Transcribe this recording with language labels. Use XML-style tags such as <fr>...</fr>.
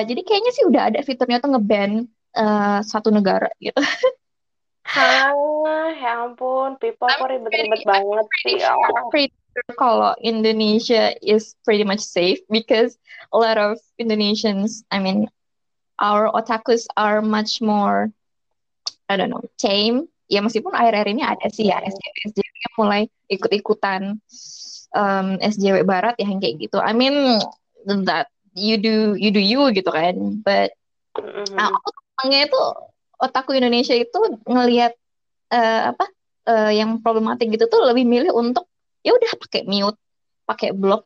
<id>Jadi kayaknya sih udah ada fiturnya tuh ngeban satu negara gitu. Hah, ya ampun, people kok ribet-ribet banget sih.</id> <en>I'm pretty sure</en> <id>kalau</id> <en>Indonesia is pretty much safe because a lot of Indonesians, I mean, our otakus are much more I don't know, tame.</en> <id>Ya meskipun akhir-akhir ini ada sih ya SJW yang mulai ikut-ikutan SJW Barat ya, yang kayak gitu.</id> <en>I mean that you do you</en> <id>gitu kan.</id> <en>But</en> <id>aku tangannya itu otakku Indonesia itu ngelihat yang problematik gitu tuh lebih milih untuk ya udah pakai mute, pakai block.</id>